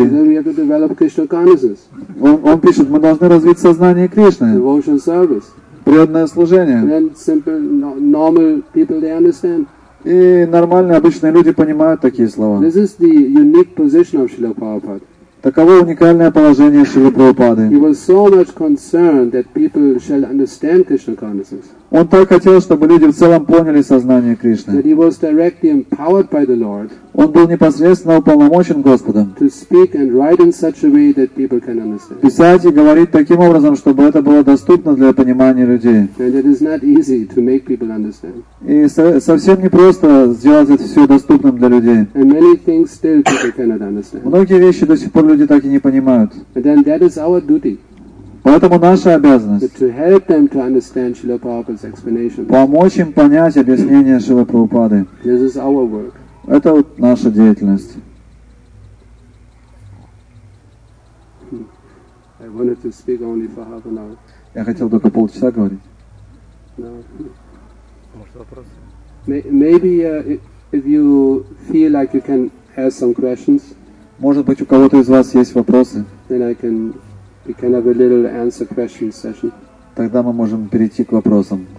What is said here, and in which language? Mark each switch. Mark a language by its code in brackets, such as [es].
[en] And then we have to develop Krishna consciousness. [ru] Он пишет, мы должны развить сознание Кришны. [en] Devotion service. [ru] Преданное служение. [en] And then simple, normal people, they understand. [ru] И нормальные обычные люди понимают такие слова. [en] This is the unique position of Srila Prabhupada. [ru] Таково уникальное положение Шрилы Прабхупады. [en] He was so much concerned that people shall understand Krishna consciousness. [ru] Он так хотел, чтобы люди в целом поняли сознание Кришны. [en] That he was directly empowered by the Lord. [ru] Он был непосредственно уполномочен Господом. [en] To speak and write in such a way that people can understand. [ru] Писать и говорить таким образом, чтобы это было доступно для понимания людей. [en] And it is not easy to make people understand. [ru] И совсем не просто сделать это все доступным для людей. [en] And many things still people cannot understand. [ru] Многие вещи до сих пор люди так и не понимают. [en] And then that is our duty. [ru] Поэтому наша обязанность [en] to help them to understand Srila Prabhupada's explanation. [ru] Помочь им понять объяснение Шрилы Прабхупады. [en] This is our work. [ru] Это вот наша деятельность. [en] I wanted to speak only for half an hour. [ru] Я хотел только полчаса говорить. [en] No. [ru] Может, вопрос? [en] Maybe if you feel like you can ask some questions. [ru] Может быть, у кого-то из вас есть вопросы? [en] Then I can. We can have a little answer question session. [ru] Тогда мы можем перейти к вопросам.